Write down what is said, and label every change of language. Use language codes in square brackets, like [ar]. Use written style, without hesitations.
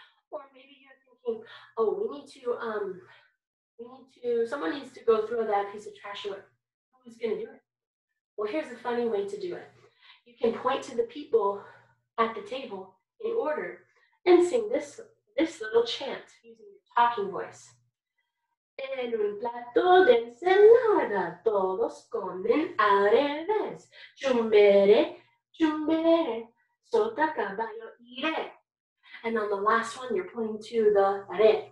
[en] Or maybe you're thinking, oh, someone needs to go throw that piece of trash away. Who's gonna do it? Well, here's a funny way to do it. You can point to the people at the table in order and sing this little chant using your talking voice. [es] En un plato de ensalada, todos comen al revés. Chumbere, chumbere, sota caballo y re. [en] And on the last one, you're pointing to the re.